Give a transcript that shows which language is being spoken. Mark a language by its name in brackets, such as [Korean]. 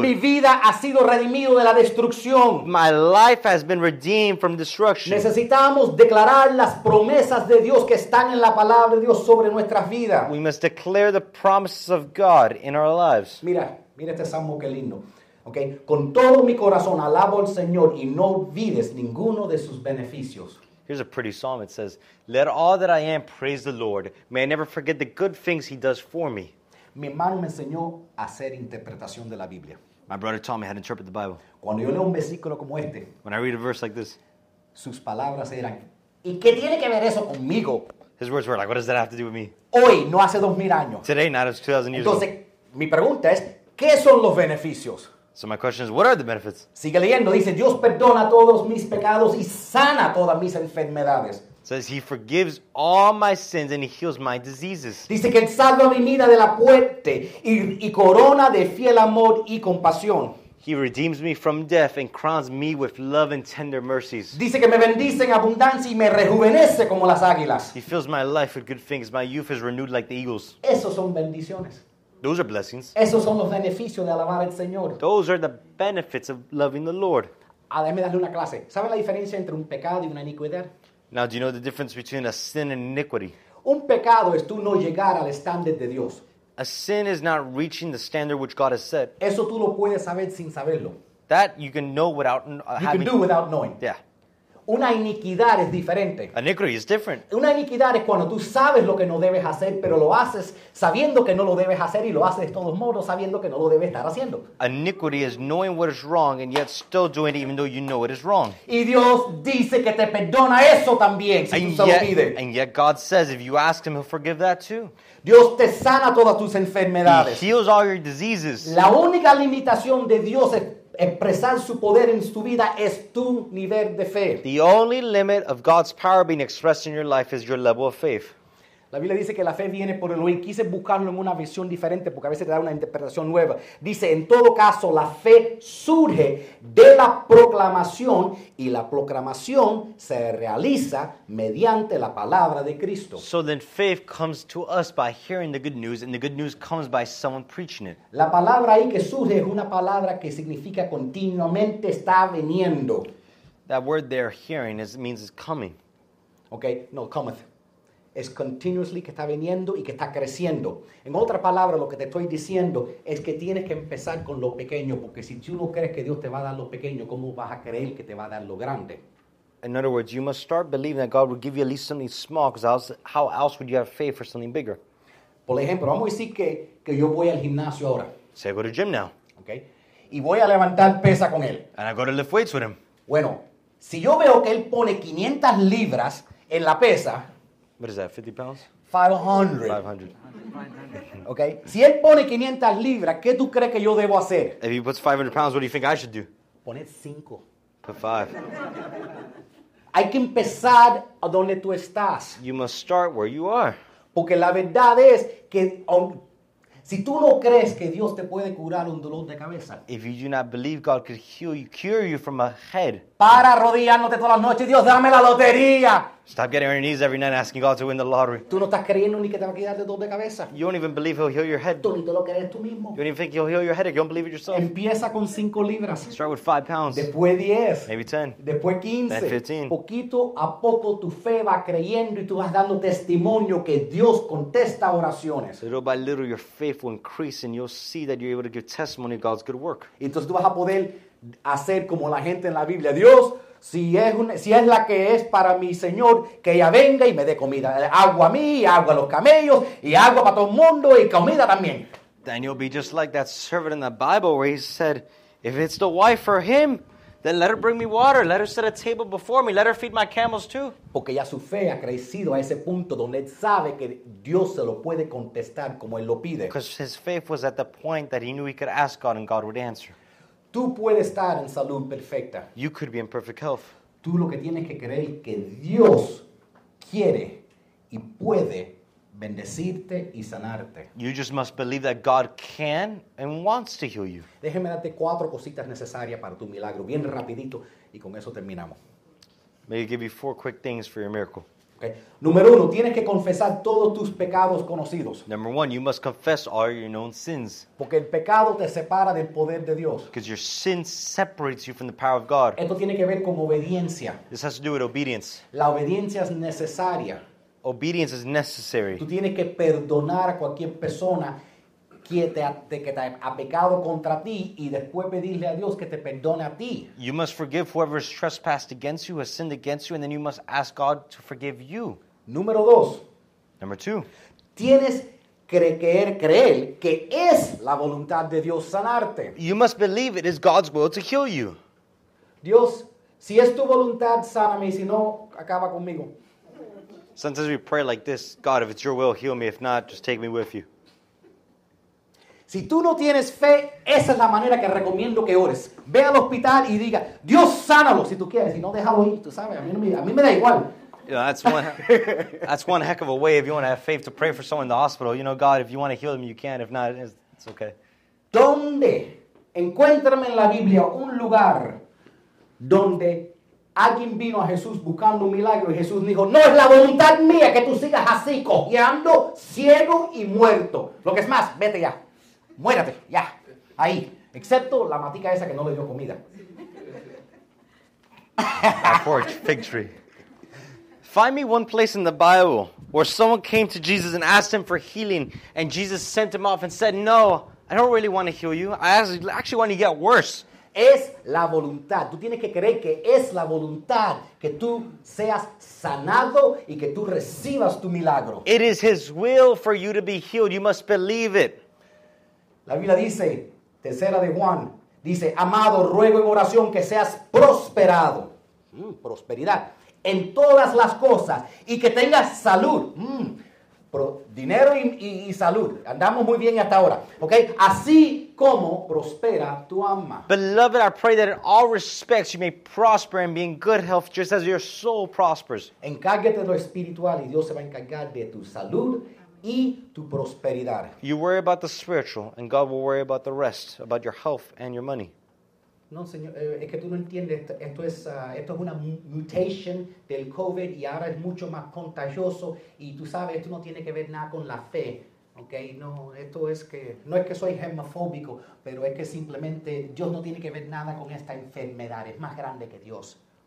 [Spanish] Mi vida ha sido redimido de la destrucción. [English] My life has been redeemed from destruction. [Spanish] Necesitamos declarar las promesas de Dios que están en la palabra de Dios sobre nuestras vidas. [English] We must declare the promises of God in our lives. [Spanish] Mira este salmo que lindo. Okay. Con todo mi corazón alabo al Señor y no olvides ninguno de sus beneficios. [English] Here's a pretty psalm. It says, let all that I am praise the Lord. May I never forget the good things he does for me. [Spanish] Mi hermano me enseñó a hacer interpretación de la Biblia. [English] My brother taught me how to interpret the Bible. [Spanish] Cuando yo leo un versículo como este. [English] When I read a verse like this. [Spanish] Sus palabras eran, ¿y qué tiene que ver eso conmigo? [English] His words were like, what does that have to do with me? [Spanish] Hoy, no hace 2,000 años. [English] Today, not as 2,000 years [Spanish] Entonces, [English] ago. [Spanish] Entonces, mi pregunta es, ¿qué son los beneficios? [English] So my question is, what are the benefits? [Spanish] Sigue leyendo, dice, Dios perdona todos mis pecados y sana todas mis enfermedades. [English] Says he forgives all my sins and he heals my diseases. [Spanish] Dice que él salva mi vida de la muerte y corona de fiel amor y compasión. [English] He redeems me from death and crowns me with love and tender mercies. [Spanish] Dice que me bendice en abundancia y me rejuvenece como las águilas. [English] He fills my life with good things. My youth is renewed like the eagles. [Spanish] Esos son bendiciones. [English] Those are blessings. [Spanish] Esos son los beneficios de alabar al Señor. [English] Those are the benefits of loving the Lord. [Spanish] Déjame darle una clase. ¿Sabe la diferencia entre un pecado y una iniquidad? [English] Now, do you know the difference between a sin and iniquity? [Spanish] Un pecado es tú no llegar al estándar de Dios. [English] A sin is not reaching the standard which God has set. Eso tú lo puedes saber sin saberlo. That you can know without you can do without knowing. Yeah. [Spanish] Una iniquidad es diferente. [English] Iniquity is different. [Spanish] Una iniquidad es cuando tú sabes lo que no debes hacer, pero lo haces sabiendo que no lo debes hacer y lo haces de todos modos sabiendo que no lo debes estar haciendo. [English] Iniquity is knowing what is wrong and yet still doing it even though you know it is wrong. [Spanish] Y Dios dice que te perdona eso también si tú se lo pides. [English] And yet God says if you ask him, he'll forgive that too. [Spanish] Dios te sana todas tus enfermedades. [English] He heals all your diseases. [Spanish] La única limitación de Dios es expresar su poder en tu vida es tu nivel de fe. [English] The only limit of God's power being expressed in your life is your level of faith. [Spanish] La Biblia dice que la fe viene por el oír. Quise buscarlo en una versión diferente porque a veces te da una interpretación nueva. Dice, en todo caso, la fe surge de la proclamación y la proclamación se realiza mediante la palabra de Cristo. [English] So then faith comes to us by hearing the good news and the good news comes by someone preaching it. [Spanish] La palabra ahí que surge es una palabra que significa continuamente está viniendo. [English] That word they're hearing is, means it's coming. Okay, no, cometh. [Spanish] Es continuously que está viniendo y que está creciendo. En otra palabra, lo que te estoy diciendo es que tienes que empezar con lo pequeño, porque si tú no crees que Dios te va a dar lo pequeño, ¿cómo vas a creer que te va a dar lo grande? [English] In other words, you must start believing that God will give you at least something small, because how else would you have faith for something bigger? [Spanish] Por ejemplo, vamos a decir que yo voy al gimnasio ahora. [English] Say I go to gym now. [Spanish] Okay. Y voy a levantar pesa con él. [English] And I go to lift weights with him. [Spanish] Bueno, si yo veo que él pone 500 libras en la pesa. [English] What is that, 50 pounds? 500. Okay. [Spanish] Si él pone 500 libras, ¿qué tú crees que yo debo hacer? [English] If he puts 500 pounds, what do you think I should do? [Spanish] Poner 5. [English] Put 5. [Spanish] Hay que empezar a donde tú estás. [English] You must start where you are. [Spanish] Porque la verdad es que si tú no crees que Dios te puede curar un dolor de cabeza. [English] If you do not believe God could heal you, cure you from a head. [Spanish] Para arrodillándote todas las noches, Dios, dame la lotería. [English] Stop getting on your knees every night asking God to win the lottery. [Spanish] Tú no estás creyendo ni que te va a quitar el dolor de cabeza. [English] You don't even believe he'll heal your head. [Spanish] Tú ni te lo crees tú mismo. [English] You don't even think he'll heal your headache. You don't believe it yourself. [Spanish] Empieza con 5 libras. [English] Start with 5 pounds. [Spanish] Después 10. [English] Maybe 10. [Spanish] Después 15. [English] Then 15. [Spanish] Poquito a poco tu fe va creyendo y tú vas dando testimonio que Dios contesta oraciones. [English] Little by little your faith will increase and you'll see that you're able to give testimony of God's good work. [Spanish] Entonces tú vas a poder hacer como la gente en la Biblia. Dios, si es la que es para mi Señor, que ella venga y me dé comida. Agua a mí, agua a los camellos, y agua para todo el mundo, y comida también. [English] Then you'll be just like that servant in the Bible where he said, if it's the wife for him, then let her bring me water, let her set a table before me, let her feed my camels too. [Spanish] Porque ya su fe ha crecido a ese punto donde él sabe que Dios se lo puede contestar como él lo pide. [English] Because his faith was at the point that he knew he could ask God and God would answer. [Spanish] Tú puedes estar en salud perfecta. [English] You could be in perfect health. [Spanish] Tú lo que tienes que creer es que Dios quiere y puede bendecirte y sanarte. [English] You just must believe that God can and wants to heal you. [Spanish] Déjeme darte 4 cositas necesarias para tu milagro, bien rapidito, y con eso terminamos. [English] May I give you 4 quick things for your miracle. Okay. [Spanish] Número 1, tienes que confesar todos tus pecados conocidos. [English] Number 1, you must confess all your known sins. [Spanish] Porque el pecado te separa del poder de Dios. [English] Because your sin separates you from the power of God. [Spanish] Esto tiene que ver con obediencia. [English] This has to do with obedience. [Spanish] La obediencia es necesaria. [English] Obedience is necessary. [Spanish] Tú tienes que perdonar a cualquier persona que te ha pecado contra ti y después pedirle a Dios que te perdone a ti. [English] You must forgive whoever has trespassed against you, has sinned against you, and then you must ask God to forgive you. [Spanish] Número 2. [English] Number 2. [Spanish] Tienes que creer que es la voluntad de Dios sanarte. [English] You must believe it is God's will to heal you. [Spanish] Dios, si es tu voluntad, sáname, si no, acaba conmigo. [English] Sometimes we pray like this, God, if it's your will, heal me. If not, just take me with you. [Spanish] Si tú no tienes fe, esa es la manera que recomiendo que ores. Ve al hospital y diga, Dios, sánalo si tú quieres. Si no, déjalo ir, tú sabes. A mí me da igual. [English] You know, that's one heck of a way if you want to have faith to pray for someone in the hospital. You know, God, if you want to heal them, you can. If not, it's okay. [Spanish] ¿Dónde? Encuéntrame en la Biblia un lugar donde alguien vino a Jesús buscando un milagro y Jesús dijo, no es la voluntad mía que tú sigas así, cojeando, ciego y muerto. Lo que es más, vete ya. Muérate, ya, ahí. Excepto la matica esa que no le dio comida. [English] Poor fig tree. Find me one place in the Bible where someone came to Jesus and asked him for healing, and Jesus sent him off and said, no, I don't really want to heal you. I actually want to get worse. [Spanish] Es la voluntad. Tú tienes que creer que es la voluntad que tú seas sanado y que tú recibas tu milagro. [English] It is His will for you to be healed. You must believe it. [Spanish] La Biblia dice, tercera de Juan, dice, amado, ruego en oración que seas prosperado. Prosperidad. En todas las cosas y que tengas salud. Dinero y salud. Andamos muy bien hasta ahora. Okay? Así como prospera tu alma. [English] Beloved, I pray that in all respects you may prosper and be in good health just as your soul prospers. [Spanish] Encárguete de lo espiritual y Dios se va a encargar de tu salud y tu prosperidad. [English] You worry about the spiritual and God will worry about the rest, about your health and your money. [Spanish] No, señor, es que tú no entiendes, esto es una mutation del COVID y ahora es mucho más contagioso y tú sabes, esto no tiene que ver nada con la fe, ¿ok? No, esto es que, no es que soy germofóbico, pero es que simplemente Dios no tiene que ver nada con esta enfermedad, es más grande que Dios.